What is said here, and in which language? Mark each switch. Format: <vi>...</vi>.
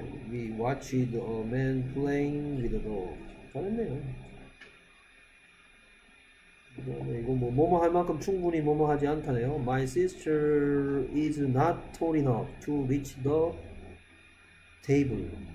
<en>we watched a man playing with a dog.</en> <ko>잘했네요. 그다음에 이거 뭐뭐뭐 할 만큼 충분히 뭐뭐 하지 않다네요.</ko> <en>my sister is not tall enough to reach the table.</en>